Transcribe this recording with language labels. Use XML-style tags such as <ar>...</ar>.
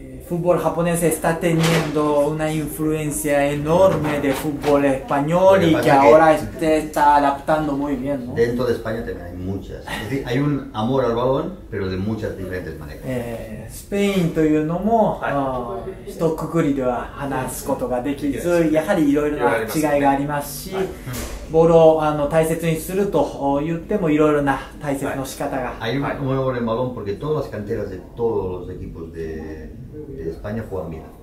<es>El fútbol japonés está teniendo una influencia enorme de fútbol español y que ahora está adaptando muy bien, ¿no? Dentro de España también hay muchas. Es decir, hay un amor al balón, pero de muchas diferentes maneras.</es> <ja>Spain というのも、ひとくくりでは話すことができず、やはりいろいろな違いがありますし、ボールを大切にすると言ってもいろいろな大切の仕方が。</ja> <es>Hay un amor al balón porque todas las canteras de todos los equipos de España juegan bien.</es>